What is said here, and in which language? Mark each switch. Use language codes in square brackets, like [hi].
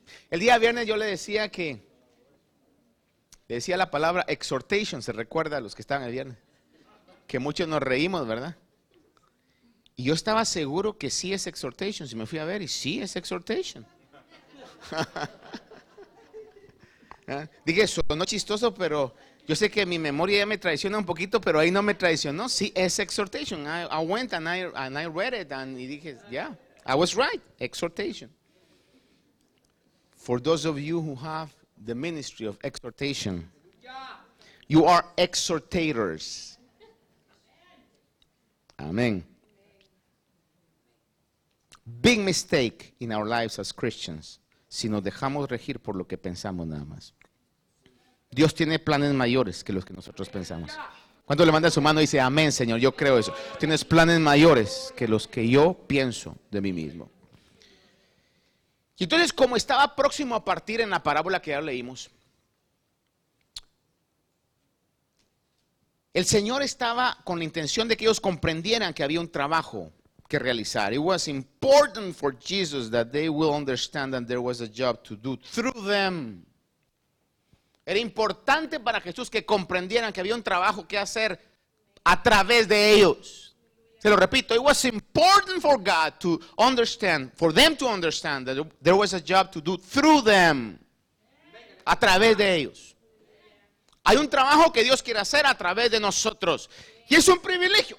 [es] El día viernes yo le decía la palabra exhortation, se recuerda a los que estaban el viernes, que muchos nos reímos, ¿verdad? Y yo estaba seguro que sí es exhortation, si me fui a ver y sí es exhortation. Dije, sonó chistoso, pero yo sé que mi memoria ya me traiciona un poquito, pero ahí no me traicionó. Sí es exhortation. [en] I went and I read it and [es] dije, [en] yeah, I was right, exhortation. For those of you who have the ministry of exhortation, you are exhortators. [es] Amén. [en] Big mistake in our lives as Christians [es] si nos dejamos regir por lo que pensamos nada más. Dios tiene planes mayores que los que nosotros pensamos. Cuando le manda su mano y dice, amén, Señor, yo creo eso. Tienes planes mayores que los que yo pienso de mí mismo. Y entonces, como estaba próximo a partir en la parábola que ya leímos, el Señor estaba con la intención de que ellos comprendieran que había un trabajo que realizar. [en] It was important for Jesus that they will understand that there was a job to do through them. [es] Era importante para Jesús que comprendieran que había un trabajo que hacer a través de ellos. Se lo repito, [en] it was important for God to understand, for them to understand that there was a job to do through them. [es] A través de ellos. Hay un trabajo que Dios quiere hacer a través de nosotros. Y es un privilegio.